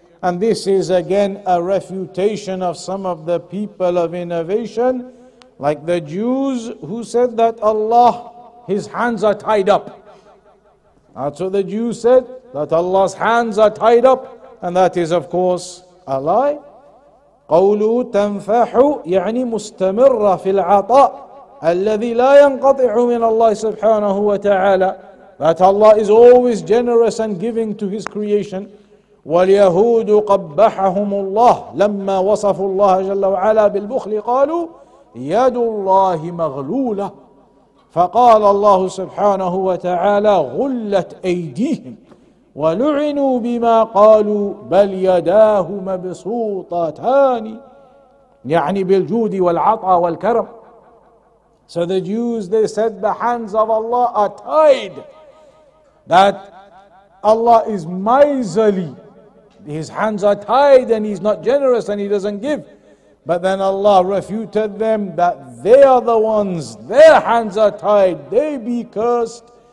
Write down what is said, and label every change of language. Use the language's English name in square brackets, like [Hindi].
[English] And this is again a refutation of some of the people of innovation, like the Jews who said that Allah, His hands are tied up. That's what the Jews said, that Allah's hands are tied up. And that is of course a lie. [Arabic] قولوا تنفحوا يعني مستمرة في العطاء الذي لا ينقطع من الله سبحانه وتعالى. [English] That Allah is always generous and giving to His creation. [Arabic] واليهود قبحهم الله لما وصفوا الله جل وعلا بالبخل قالوا يد الله مغلولة فقال الله سبحانه وتعالى غلت أيديهم ولعنوا بما قالوا بل يداه مبسوطتان يعني بالجود والعطاء والكرم. [English] So the Jews, they said the hands of Allah are tied, that Allah is miserly. His hands are tied and He's not generous and He doesn't give. But then Allah refuted them that they are the ones, their hands are tied, they be cursed.